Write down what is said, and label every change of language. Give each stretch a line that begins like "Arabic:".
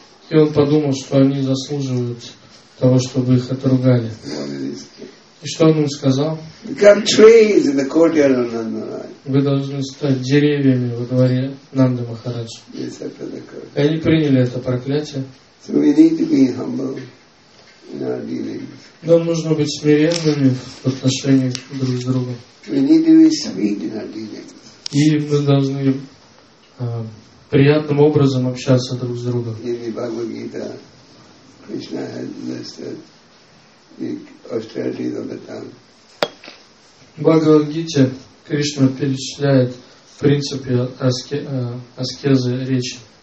Russian: И он подумал, что они заслуживают того, чтобы их отругали. И что он им сказал? Вы должны стать деревьями во дворе Нанды Махараджа. И они приняли это проклятие.
English: So we need to be humble in our dealings.
Russian: Нам нужно быть смиренными в отношениях друг с другом.
English: We need to be sweet in our dealings.
Russian: И мы должны приятным образом общаться друг с другом.
English: In the Bhagavad Gita, Krishna has listed the austerities of the tongue.
Russian: В Бхагавад Гите Кришна перечисляет принципы аскезы речи.